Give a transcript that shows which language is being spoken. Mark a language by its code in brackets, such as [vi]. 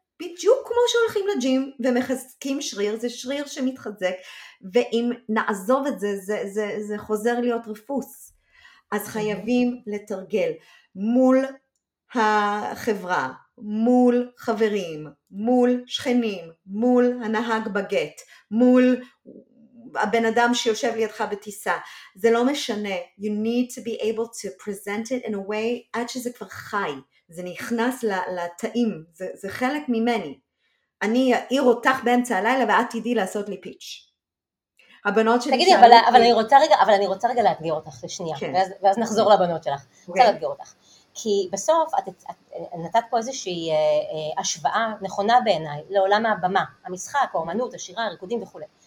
[he] בדיוק כמו שהולכים לג'ים ומחזקים שריר, זה שריר שמתחזק, ואם נעזוב את זה, זה חוזר להיות רפוס. אז חייבים לתרגל מול החברה, מול חברים, מול שכנים, מול הנהג בגט, מול הבן אדם שיושב לידך בטיסה. זה לא משנה. [en] You need to be able to present it in a way [he] עד שזה כבר חי. זה נכנס לתאים. זה חלק ממני. אני אעיר אותך באמצע הלילה ואת תדעי לעשות לי פיץ'. הבנות שלי תגידי, אבל, אותי... אבל אני רוצה רגע, אבל אני רוצה רגע להתגיר אותך לשנייה. כן. ואז נחזור לבנות שלך. כן. רוצה להתגיר אותך. כי בסוף את נתת פה איזושהי השוואה נכונה בעיניי לעולם הבמה, המשחק, האומנות, השירה, הריקודים וכו'.